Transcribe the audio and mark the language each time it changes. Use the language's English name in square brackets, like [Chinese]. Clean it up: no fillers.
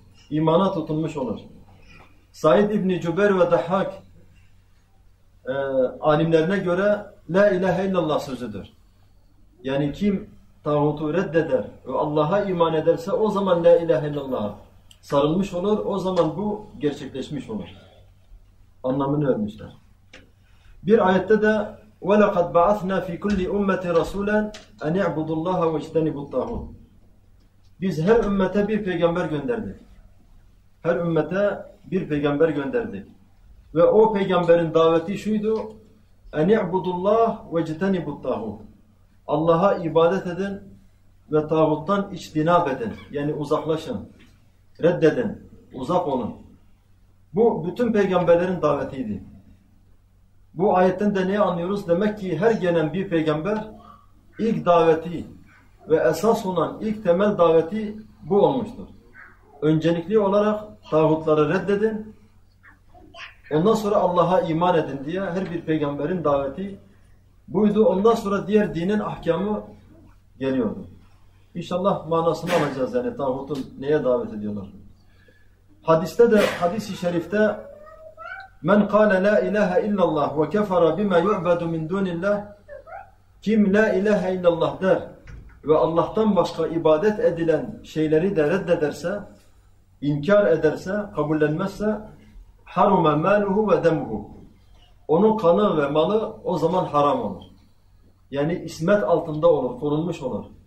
[Turkish] İmana tutunmuş olur. Said İbni Cübeyr ve Dahhak alimlerine göre La İlahe İllallah sözüdür. Yani kim tağutu reddeder ve Allah'a iman ederse o zaman La İlahe İllallah'a sarılmış olur. O zaman bu gerçekleşmiş olur. Anlamını vermişler. Bir ayette de [Arabic] وَلَقَدْ بَعَثْنَا فِي كُلِّ اُمَّةِ رَسُولًا اَنْ اِعْبُدُ اللّٰهَ وَاِجْتَنِبُ الطَّاغُونَ. [Turkish] Biz her ümmete bir peygamber gönderdik. Her ümmete bir peygamber gönderdik. Ve o peygamberin daveti şuydu: [Arabic] اَنْ اِعْبُدُ اللّٰهَ وَاِجْتَنِبُ الطَّاغُونَ. [Turkish] Allah'a ibadet edin ve tağuttan içtinab edin. Yani uzaklaşın, reddedin, uzak olun. Bu bütün peygamberlerin davetiydi. Bu ayetten de neyi anlıyoruz? Demek ki her gelen bir peygamber ilk daveti ve esas olan ilk temel daveti bu olmuştur. Öncelikli olarak tağutları reddedin, ondan sonra Allah'a iman edin diye her bir peygamberin daveti buydu. Ondan sonra diğer dinin ahkamı geliyordu. İnşallah manasını alacağız yani tağutun neye davet ediyorlar. Hadiste de, hadis-i şerifte [Arabic] مَنْ قَالَ لَا اِلَٰهَ اِلَّا اللّٰهِ وَكَفَرَ بِمَا يُعْبَدُ مِنْ دُونِ اللّٰهِ. [Turkish] Kim La İlahe İllallah der ve Allah'tan başka ibadet edilen şeyleri de reddederse, inkar ederse, kabullenmezse [Arabic] حَرُمَ مَالُهُ وَدَمْهُ. [Turkish] Onun kanı ve malı o zaman haram olur. Yani ismet altında olur, korunmuş olur.